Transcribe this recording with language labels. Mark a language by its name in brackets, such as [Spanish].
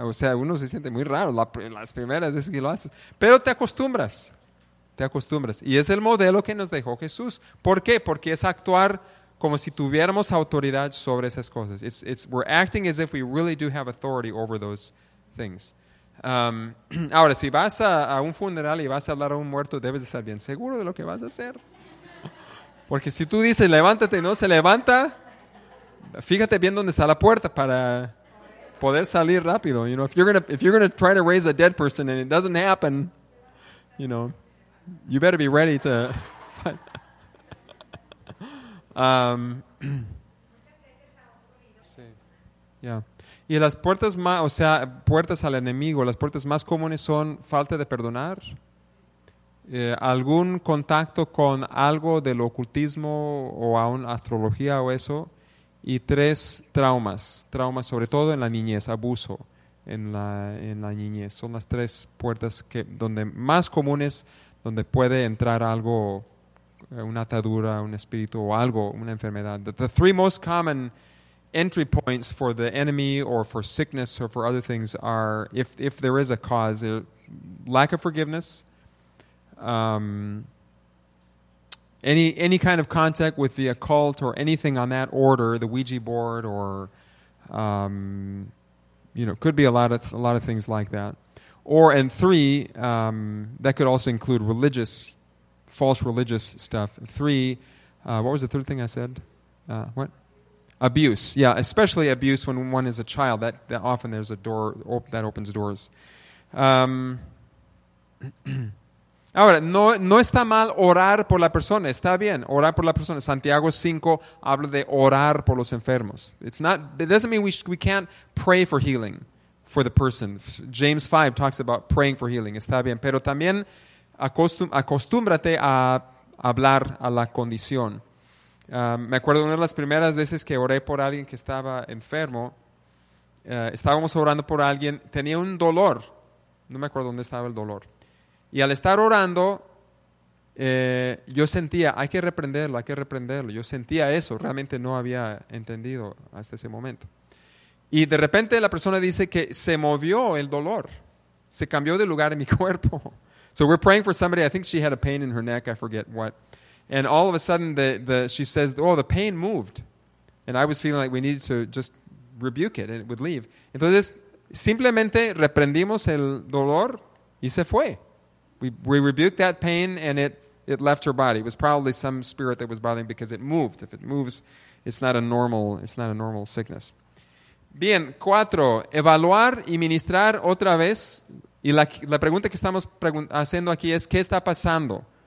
[Spanish] O sea, uno se siente muy raro las primeras veces que lo haces. Pero te acostumbras. Te acostumbras. Y es el modelo que nos dejó Jesús. ¿Por qué? Porque es actuar como si tuviéramos autoridad sobre esas cosas. [English] We're acting as if we really do have authority over those things. [Spanish] Ahora, si vas a un funeral y vas a hablar a un muerto, debes de estar bien seguro de lo que vas a hacer. Porque si tú dices, levántate y no se levanta, fíjate bien dónde está la puerta para poder salir rápido. [English] You know, if you're gonna try to raise a dead person and it doesn't happen, you know, you better be ready to fight. [Spanish] Sí. Yeah. Y las puertas más, o sea, puertas al enemigo, las puertas más comunes son falta de perdonar, algún contacto con algo del ocultismo o aún astrología o eso, y tres, traumas sobre todo en la niñez, abuso en la niñez, son las tres puertas que donde más comunes, donde puede entrar algo, una atadura, un espíritu o algo, una enfermedad. [English] The three most common entry points for the enemy or for sickness or for other things are, if there is a cause, lack of forgiveness, any kind of contact with the occult or anything on that order, the Ouija board or, you know, could be a lot of things like that. Or, and three, that could also include religious, false religious stuff. Three, what was the third thing I said? What? Abuse. Yeah, especially abuse when one is a child. That often there's a door that opens doors. [Spanish] Ahora, no está mal orar por la persona. Está bien, orar por la persona. Santiago 5 habla de orar por los enfermos. [English] It doesn't mean we can't pray for healing for the person. James 5 talks about praying for healing. [Spanish] Está bien. Pero también acostúmbrate a hablar a la condición. Me acuerdo una de las primeras veces que oré por alguien que estaba enfermo. Estábamos orando por alguien. Tenía un dolor. No me acuerdo dónde estaba el dolor. Y al estar orando, yo sentía, hay que reprenderlo. Yo sentía eso, realmente no había entendido hasta ese momento. Y de repente la persona dice que se movió el dolor, se cambió de lugar en mi cuerpo. [English] So we're praying for somebody, I think she had a pain in her neck, I forget what. And all of a sudden she says, oh, the pain moved. And I was feeling like we needed to just rebuke it and it would leave. [Spanish] Entonces, simplemente reprendimos el dolor y se fue. [English] We rebuked that pain and it left her body. It was probably some spirit that was bothering because it moved. If it moves, it's not a normal sickness. [Spanish] Bien, cuatro, evaluar y ministrar otra vez. Y la pregunta que estamos haciendo aquí es, ¿qué está pasando?